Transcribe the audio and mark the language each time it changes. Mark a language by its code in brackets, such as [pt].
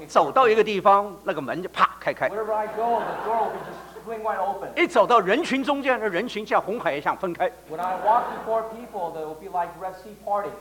[zh] 一走到一个地方，那个门就啪开开。 [en] Wherever I go, the door will just swing wide open. [zh] 一走到人群中间，那人群像红海一样分开。 [en] When I walk before people, there will be like Red Sea parting.